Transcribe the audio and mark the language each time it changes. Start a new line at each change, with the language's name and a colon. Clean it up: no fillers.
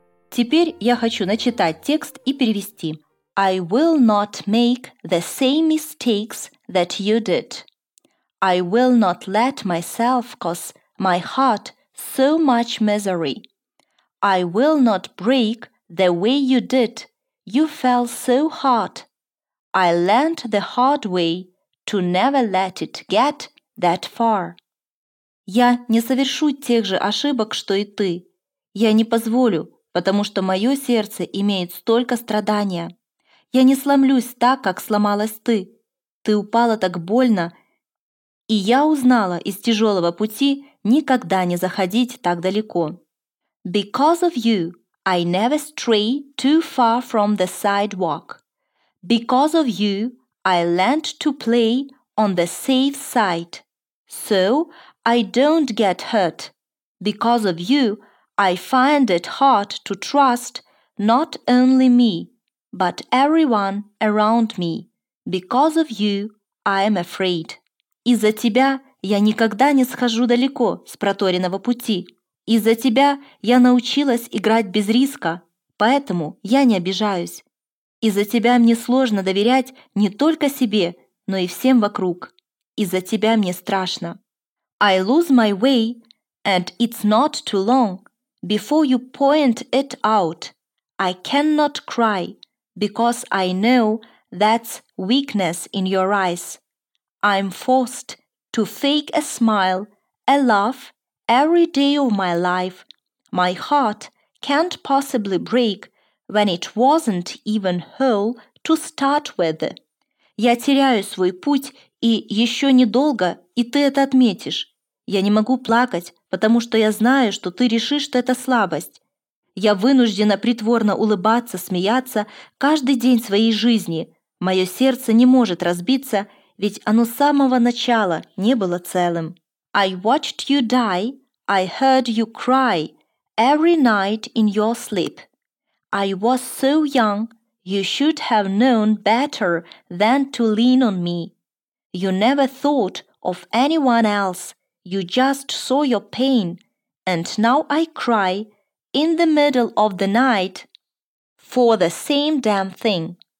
Russian: Теперь я хочу начитать текст и перевести.
English: I will not make the same mistakes that you did. I will not let myself cause my heart so much misery. I will not break the way you did. You fell so hard. I learned the hard way to never let it get that far.
Russian: Я не совершу тех же ошибок, что и ты. Я не позволю, потому что мое сердце имеет столько страдания. Я не сломлюсь так, как сломалась ты. Ты упала так больно, и я узнала из тяжелого пути никогда не заходить так далеко.
English: Because of you, I never stray too far from the sidewalk. Because of you, I learned to play on the safe side. So I don't get hurt. Because of you, I find it hard to trust not only me, but everyone around me. Because of you, I am afraid.
Russian: Из-за тебя я никогда не схожу далеко с проторенного пути. Из-за тебя я научилась играть без риска, поэтому я не обижаюсь. Из-за тебя мне сложно доверять не только себе, но и всем вокруг. Из-за тебя мне страшно.
English: I lose my way, and it's not too long. Before you point it out, I cannot cry, because I know that's weakness in your eyes. I'm forced to fake a smile, a laugh, every day of my life. My heart can't possibly break when it wasn't even whole to start with.
Russian: Я теряю свой путь, и еще недолго, и ты это отметишь. Я не могу плакать, потому что я знаю, что ты решишь, что это слабость. Я вынуждена притворно улыбаться, смеяться каждый день своей жизни. Мое сердце не может разбиться, ведь оно с самого начала не было целым.
English: I watched you die, I heard you cry every night in your sleep. I was so young, you should have known better than to lean on me. You never thought of anyone else. You just saw your pain, and now I cry in the middle of the night for the same damn thing.